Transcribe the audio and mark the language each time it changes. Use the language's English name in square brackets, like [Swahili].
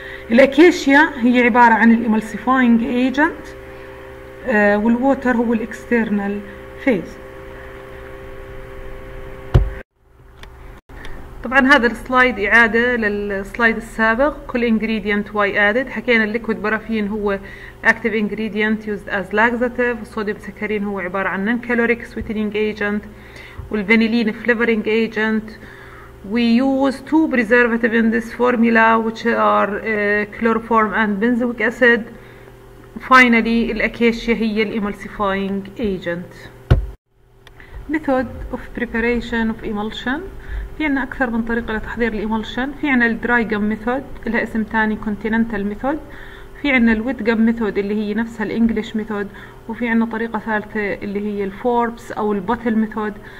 [Arabic] الأكيشيا هي عبارة عن الإيمالسيفاينج ايجنت، والووتر هو الإكسترنال فيز. طبعا هذا السلايد إعادة للسلايد السابق. كل [English] ingredient why added، [Arabic] حكينا الليكويد بارافين هو [English] active ingredient used as laxative، [Arabic] والصوديوم سكرين هو عبارة عن [English] non-caloric sweetening agent، [Arabic] والفانيلين [English] flavoring agent. We use two preservatives in this formula which are chloroform and benzoic acid. [Arabic] Finally الأكاشيا هي الإيمالسيفاينج ايجنت. [English] Method of preparation of emulsion، [Arabic] في عنا أكثر من طريقة لتحضير الإيمالشن. في عنا الدراي جم ميثود، لها اسم تاني كونتيننتال ميثود. في عنا الويت جم ميثود اللي هي نفسها الإنجليش ميثود. وفي عنا طريقة ثالثة اللي هي الفوربس أو البتل ميثود.